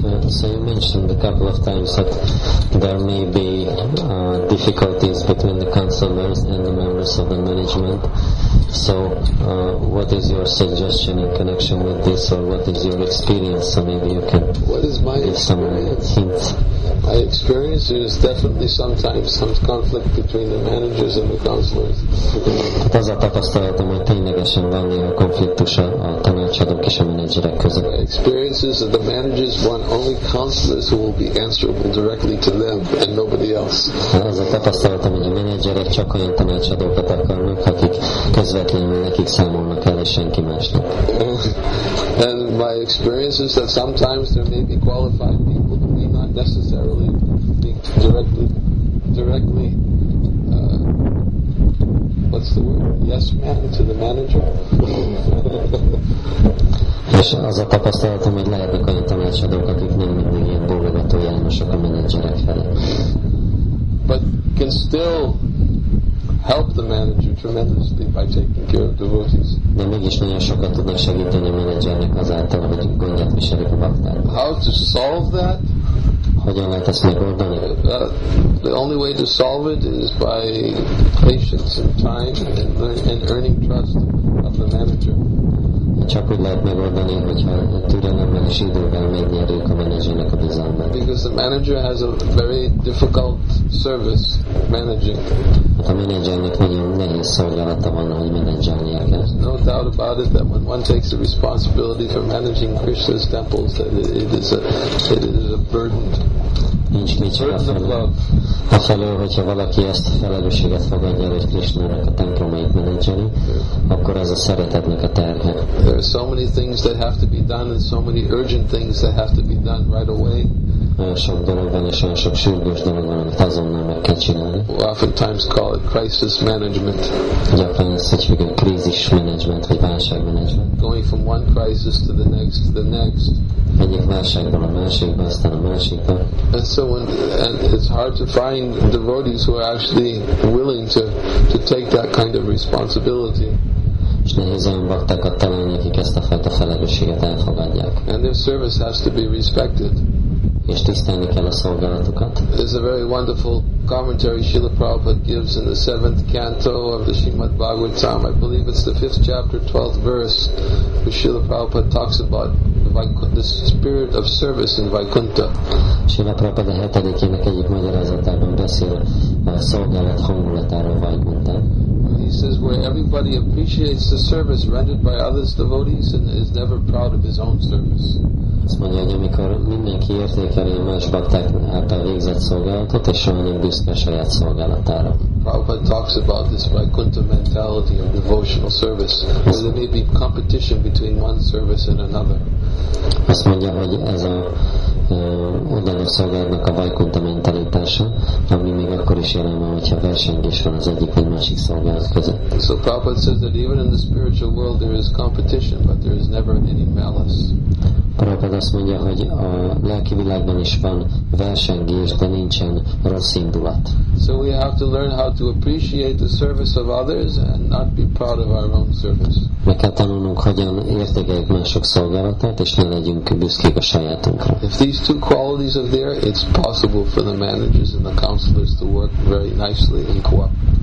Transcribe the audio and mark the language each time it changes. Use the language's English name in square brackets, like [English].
[English] So you mentioned a couple of times that there may be difficulties between the consumers and the members of the management. So what is your suggestion in connection with this, or what is your experience? So maybe you can give some hints. My experience is definitely sometimes some conflict between the managers and the counselors. [Hungarian] Az a tapasztalatom, hogy ténylegesen van néha konfliktus a tanácsadók és a menedzserek között. [English] My experience is that the managers want only counselors who will be answerable directly to them and nobody else. [Hungarian] Az a tapasztalatom, hogy a menedzserek csak olyan tanácsadókat akarnak, akik közvetlenül nekik számolnak el, és senki másnak. [English] And my experience is that sometimes there may be qualified necessarily linked directly what's the word? Yes man to the manager. [Hungarian] És az a tapasztalatom, hogy lehetnek olyan tanácsadók, akik nem mindig ilyen bólogató jelmosok a menedzserek felé. [English] But can still help the manager tremendously by taking care of devotees. [Hungarian] De mégis nagyon sokat tudnak segíteni a menedzsernek azáltal, hogy gondját viselik a baktár. [English] How to solve that? [Hungarian] Hogyan lehet ezt megoldani? [English] The only way to solve it is by patience and time and earning trust of the manager. [Hungarian] Csak úgy lehet megoldani, hogyha türelemmel és idővel megnyerjük a menedzsernek a bizalmát. [English] Because the manager has a very difficult service managing. [Hungarian] Hát a menedzsernek nagyon nehéz szolgálata van, hogy menedzselnie kell. [English] There's no doubt about it that when one takes the responsibility for managing Krishna's temples, that it is a burden. [Hungarian] Nincs kétség afelől, hogyha valaki ezt a felelősséget fogadja, hogy Krisnának a templomait menedzseli, akkor ez a szeretetnek a terhe. [English] There are so many things that have to be done and so many urgent things that have to be done right away. [Hungarian] Olyan sok dolog van, és olyan sok sürgős dolog van, amit azonnal meg kell csinálni. [English] We oftentimes call it crisis management. [Hungarian] Gyakran ezt úgy hívjuk, krízis menedzsment, vagy válság menedzsment. [English] Going from one crisis to the next, to the next. [Hungarian] Egyik válságban a másikba, aztán a másikba. [English] And so it's hard to find devotees who are actually willing to take that kind of responsibility. [Hungarian] És nehéz olyan baktákat találni, akik ezt a fajta felelősséget elfogadják. [English] And their service has to be respected. [Hungarian] És tisztelni kell a szolgálatukat. [English] There's a very wonderful commentary Srila Prabhupada gives in the 7th canto of the Srimad Bhagavatam. I believe it's the 5th chapter, 12th verse, where Srila Prabhupada talks about the spirit of service in Vaikuntha. [Hungarian] Srila Prabhupada 7. ének egyik magyarázatában beszél a szolgálat hangulatáról Vaikuntha. [English] He says where everybody appreciates the service rendered by others devotees and is never proud of his own service. [Hungarian] Azt mondja, hogy amikor mindenki értékeli a más bakták által végzett szolgálatot, és soha nem büszke saját szolgálatára. [English] Prabhupada talks about this Vaikuntha mentality of devotional service, where there may be competition between one service and another. [Hungarian] Azt mondja, hogy ez a odaadó szolgálatnak a Vaikuntha mentalitása, ami még akkor is jelen van, hogyha versengés van az egyik vagy másik szolgálat között. [English] So Prabhupada says that even in the spiritual world there is competition, but there is never any malice. [Hungarian] Prabhupada azt mondja, hogy a lelki világban is van versengés, de nincsen rossz indulat. [English] So we have to learn how to appreciate the service of others and not be proud of our own service. [Hungarian] Meg kell tanulnunk, hogyan értékeljük mások szolgálatát, és ne legyünk büszkék a sajátunkra. [English] If these two qualities are there, it's possible for the managers and the counselors to work very nicely in cooperation.